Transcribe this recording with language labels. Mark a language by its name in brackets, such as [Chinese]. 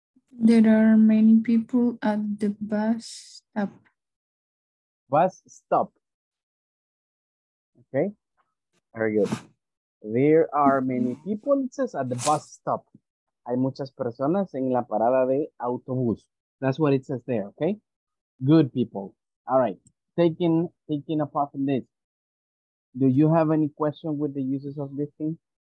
[English] There are many people at the bus stop. Bus stop. Okay, very good. There are many people, it says, at the bus stop. [Spanish] Hay muchas personas en la parada de autobús. [English] That's what it says there, okay? Good people. All right, taking apart from this, do you have any question with the uses of this thing?